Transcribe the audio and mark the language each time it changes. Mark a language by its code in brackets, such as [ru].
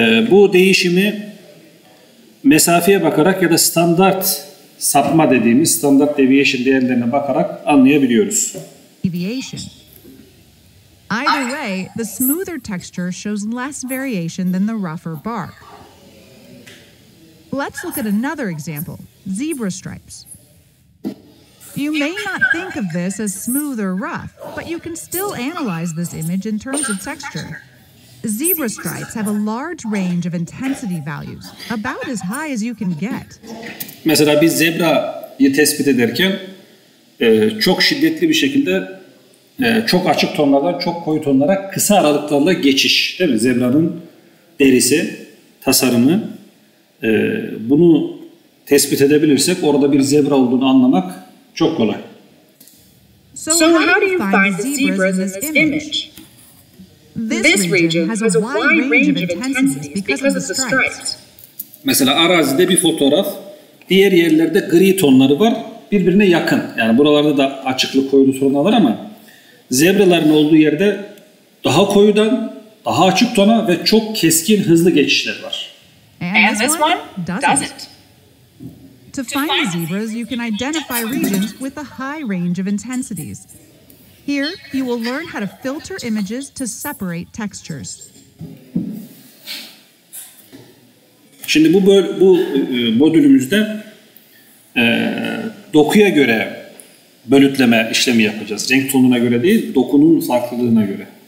[tr] Bu değişimi mesafeye bakarak ya da standart sapma dediğimiz standart deviation değerlerine bakarak anlayabiliyoruz. [en] Either way, the smoother texture shows less variation than the rougher bark. Let's look at another example, zebra stripes. You may not think of this as smooth or rough, but you can still analyze this image in terms of texture. Zebra stripes have a large range of intensity values, about as high as you can get. [tr] Mesela bir zebra'yı tespit ederken çok şiddetli bir şekilde çok açık tonlardan çok koyu tonlara kısa aralıklarla geçiş, değil mi? Zebra'nın derisi, tasarımı bunu tespit edebilirsek orada bir zebra olduğunu anlamak çok kolay. [en] So how do you find the zebras in this image? This region has a wide range of intensities because of the stripes. [tr] Mesela arazide bir fotoğraf, diğer yerlerde gri tonları var, birbirine yakın. Yani buralarda da açıklık koyulu tonlar var ama zebraların olduğu yerde daha koyudan, daha açık tona ve çok keskin, hızlı geçişler var. [en] And this one doesn't. To find the zebras, you can identify regions with a high range of intensities. Here, you will learn how to filter images to separate textures. [tr] Şimdi bu modülümüzde dokuya göre bölütleme işlemi yapacağız. Renk tonuna göre değil, dokunun farklılığına göre.